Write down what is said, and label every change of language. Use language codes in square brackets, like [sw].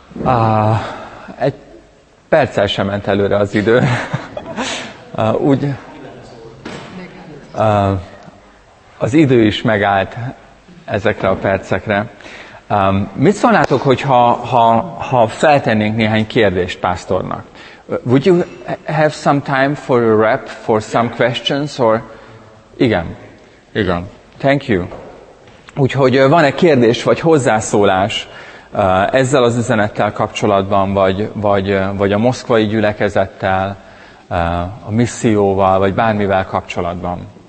[hu] Ah, egy perccel sem ment előre az idő. Az idő is megállt ezekre a percekre. Mit szólnátok, hogyha ha feltennénk néhány kérdést pásztornak? [en] Would you have some time for a wrap, for some questions? [hu] Or... Igen. Igen. [en] Thank you. [hu] Úgyhogy van-e kérdés, vagy hozzászólás ezzel az üzenettel kapcsolatban, vagy a moszkvai gyülekezettel, a misszióval, vagy bármivel kapcsolatban?